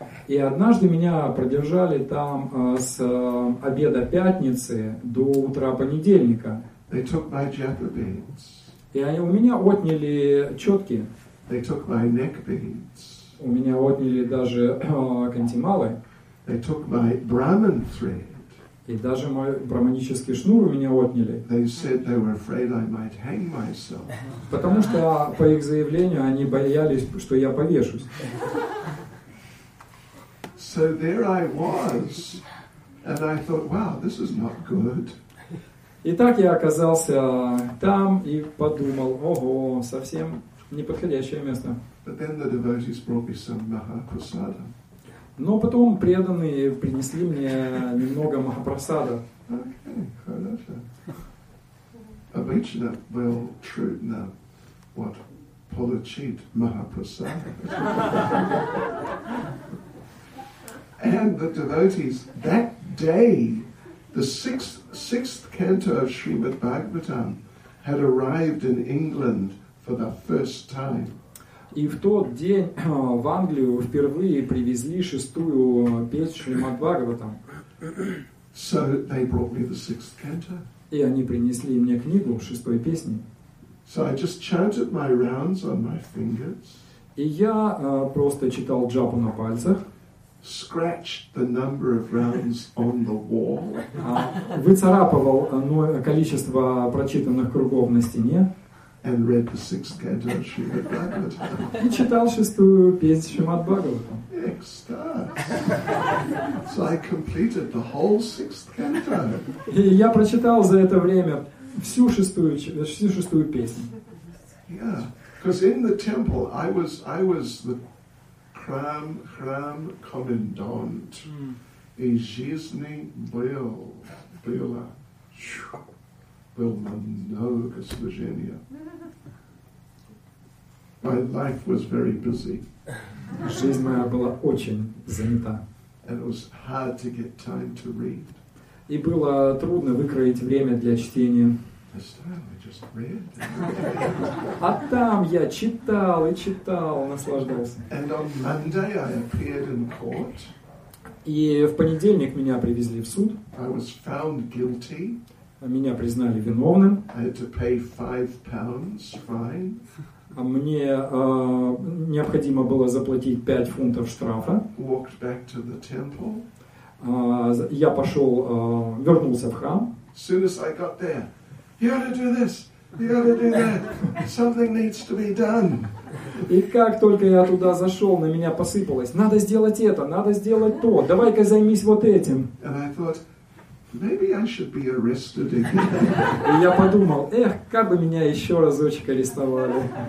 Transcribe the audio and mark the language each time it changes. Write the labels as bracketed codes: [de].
[ru] И однажды меня продержали там с обеда пятницы до утра понедельника. [en] They took my japa beads. [ru] И они у меня отняли четки. [en] They took my neck beads. [ru] У меня отняли даже кантималы. [en] They took my Brahman thread. [ru] И даже мой брахманический шнур у меня отняли. [en] They said they were afraid I might hang myself. [ru] Потому что, по их заявлению, они боялись, что я повешусь. [en] So there I was, and I thought, wow, this is not good. [ru] И так я оказался там и подумал, ого, совсем неподходящее место. [en] But then the devotees brought me some Mahaprasada. [ru] Но потом преданные принесли мне немного Махапрасада. Okay, хорошо. Обычно был трудно вот получить Махапрасада. [en] And the devotees, that day, the sixth canto of Srimad Bhagavatam had arrived in England for the first time. [ru] И в тот день в Англию впервые привезли шестую песню Шримад Бхагаватам. [en] So they brought me the sixth canto. [ru] И они принесли мне книгу шестой песни. [en] So I just chanted my rounds on my fingers. [ru] И я просто читал джапу на пальцах. [en] Scratched the number of rounds on the wall. [ru] Выцарапывал количество прочитанных кругов на стене. [en] And read the sixth canto of Srimad Bhagavatam. [ru] И читал шестую песню Шримад Бхагаватам. Экстаз. [en] So I completed the whole sixth canto. [ru] И я прочитал за это время всю шестую песню. [en] Yeah, because in the temple I was the [ru] храм комендант. И жизни был много служения. [en] My life was very busy. [ru] Жизнь моя была очень занята. [en] And it was hard to get time to read. [ru] И было трудно выкроить время для чтения. [en] This time I just read. [ru] А там я читал и читал, наслаждался. [en] And on Monday I appeared in court. [ru] И в понедельник меня привезли в суд. [en] I was found guilty. [ru] Меня признали виновным. [en] I had to pay £5 fine. [ru] Мне необходимо было заплатить 5 фунтов штрафа. [en] Walked back to the temple. [ru] Я пошел, вернулся в храм. [en] As soon as I got there, you ought to do this, you ought to do that. Something needs to be done. [ru] И как только я туда зашел, на меня посыпалось. Надо сделать это, надо сделать то. Давай-ка займись вот этим. [en] And I thought, maybe I should be arrested again. [ru] И я подумал, эх, как бы меня еще разочек арестовали.